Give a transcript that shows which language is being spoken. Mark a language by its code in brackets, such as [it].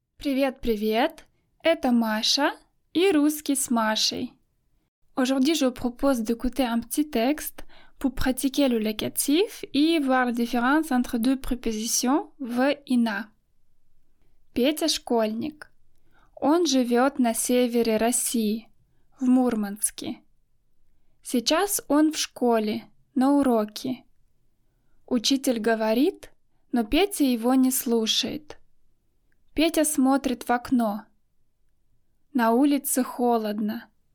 [ru] Привет-привет, это Маша и русский с Машей. [fr] Aujourd'hui, je propose d'écouter un petit texte pour pratiquer le locatif et voir la différence entre deux prépositions «в» и «на». [ru] Петя – школьник. Он живет на севере России, в Мурманске. Сейчас он в школе, на уроке. Учитель говорит, но Петя его не слушает. Петя смотрит в окно. На улице холодно.